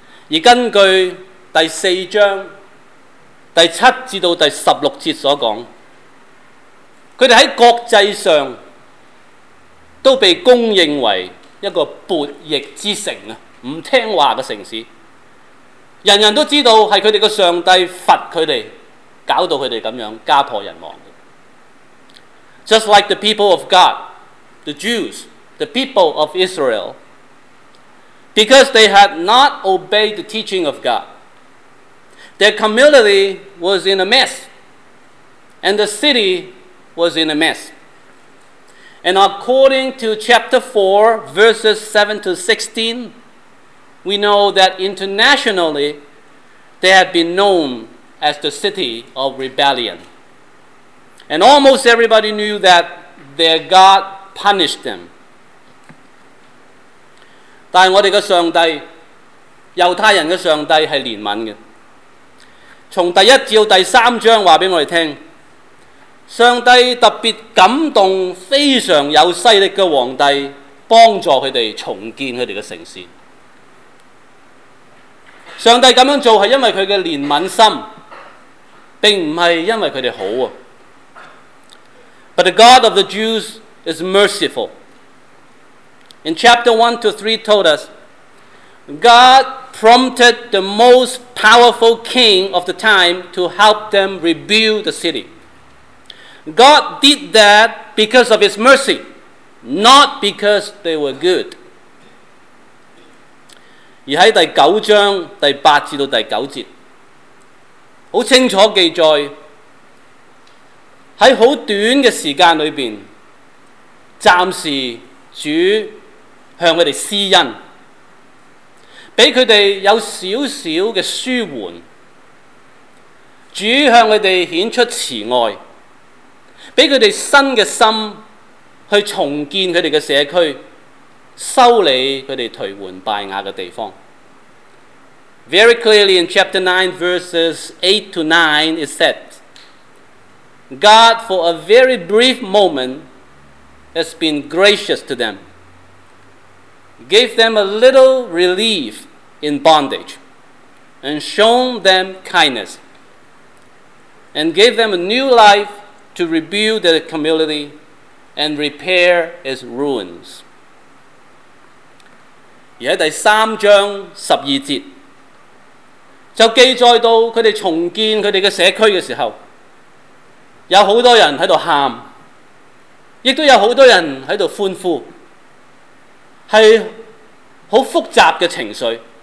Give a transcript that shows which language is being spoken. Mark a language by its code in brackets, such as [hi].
[zh] 而根据第四章第七至到第十六节所讲，他们在国际上都被公认为一个勃逆之城，不听话的城市，人人都知道是他们的上帝罚他们，搞到他们这样家破人亡的。 [en] Just like the people of God, the Jews, the people of Israel, because they had not obeyed the teaching of God, their community was in a mess, and the citywas in a mess. And according to chapter 4, verses 7 to 16, we know that internationally, they have been known as the city of rebellion. And almost everybody knew that their God punished them. [zh] 但我们的上帝，犹太人的上帝是怜悯的。从第一节第三章告诉我们听，上帝特别感动非常有势力的皇帝帮助他们重建他们的城市。上帝这样做是因为他的怜悯心，并不是因为他们好。 [en] But the God of the Jews is merciful. In chapter 1 to 3 told us, God prompted the most powerful king of the time to help them rebuild the city. God did that because of His mercy, not because they were good. [zh] 而在第九章第八至到第九节，很清楚记载，在很短的时间里面，暂时主向他们施恩，给他们有少少的舒缓，主向他们显出慈爱，给他们新的心去重建他们的社区，修理他们颓垣败瓦的地方。 [en] Very clearly in chapter 9 verses 8 to 9 it said, God for a very brief moment has been gracious to them, gave them a little relief in bondage, and shown them kindness, and gave them a new lifeto rebuild the community and repair its ruins. [zh] 而在第三章十二节，就记载到他们重建他们的社区的时候，有很多人在哭，也都有很多人在欢呼，是很复杂的情绪。